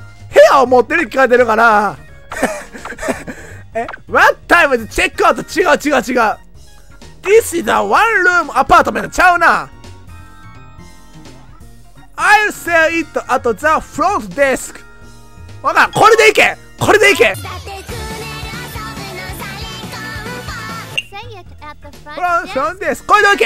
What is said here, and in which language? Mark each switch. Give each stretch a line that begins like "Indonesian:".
Japanese: 部屋を持ってるって聞かれてるから。
English: What time is check out?
Japanese: 違う。
English: This is a one room apartment.
Japanese: ちゃうな。
English: I'll sell it at the front desk.
Japanese: わかん、これでいけ、これでいけ。フランスです。これだけ。